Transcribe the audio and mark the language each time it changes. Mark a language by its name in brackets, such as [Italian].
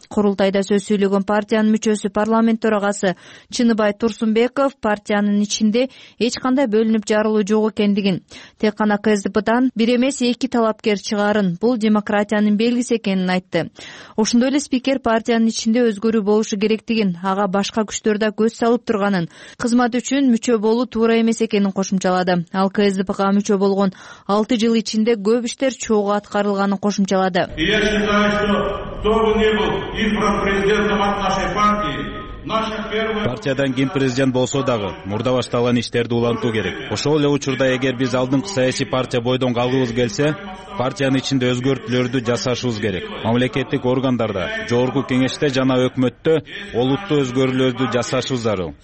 [Kyrgyz] Курултайда сөз сүйлөгөн партиянын мүчөсү парламент төрагасы Чыныбай Турсунбеков партиянын ичинде эч кандай бөлүнүп жарылуу жок экендигин, тек гана КСДПдан бир эмес эки талапкер чыгарын, бул демократиянын белгиси экенин айтты. Ошондой эле спикер партиянын ичинде өзгөрүү болушу керектигин, ага башка күчтөр да көз салып турганын, кызмат үчүн мүчө болуу туура эмес экенин кошумчалады. Ал КСДПга мүчө болгон 6 жыл ичинде көп иштер чогуу аткарылганын кошумчалады. [Russian] Я считаю, что кто бы ни был избран президентом от нашей партии, [Kyrgyz] Партиядан ким президент болсо дагы, мурда башталган иштерди улантуу керек. Ошол эле учурда эгер биз алдыңкы саясий партия бойдон калгыбыз келсе, партиянын ичинде өзгөртүүлөрдү жасашыбыз керек. Мамлекеттик органдарда, жогорку кеңеште жана өкмөттө олуттуу өзгөрүүлөрдү жасашыбыз зарыл.